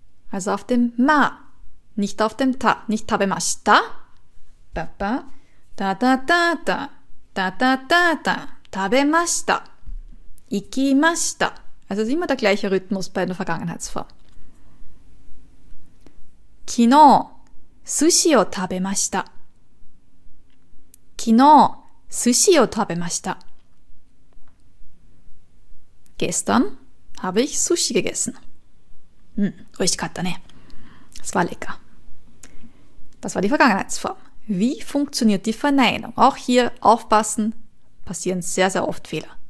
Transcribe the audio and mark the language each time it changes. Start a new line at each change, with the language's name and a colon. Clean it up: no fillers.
German: Also auf dem ma, nicht auf dem ta. Nicht
Japanese: tabemashita.
German: Da da da da. Da da da da.
Japanese: Tabemashita. Ikimashita.
German: Also es ist immer der gleiche Rhythmus bei der Vergangenheitsform.
Japanese: Kino. Sushi を食べました。昨日、寿司を食べました。
German: Gestern habe ich Sushi gegessen.
Japanese: おいしかったね。
German: Es war lecker. Das war die Vergangenheitsform. Wie funktioniert die Verneinung? Auch hier aufpassen, passieren sehr, sehr oft Fehler.